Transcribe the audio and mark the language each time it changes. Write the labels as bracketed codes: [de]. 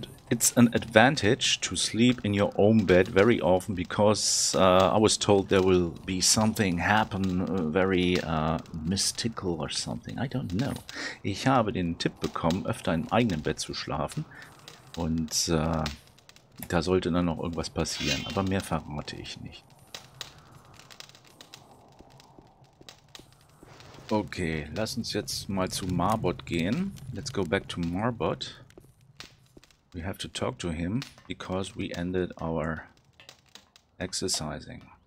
[en] It's an advantage to sleep in your own bed very often because I was told there will be something happen, very mystical or something. I don't know. [de] Ich habe den Tipp bekommen, öfter im eigenen Bett zu schlafen. Und da sollte dann noch irgendwas passieren. Aber mehr verrate ich nicht. Okay, lass uns jetzt mal zu Marbot gehen. [en] Let's go back to Marbot. We have to talk to him, because we ended our exercising.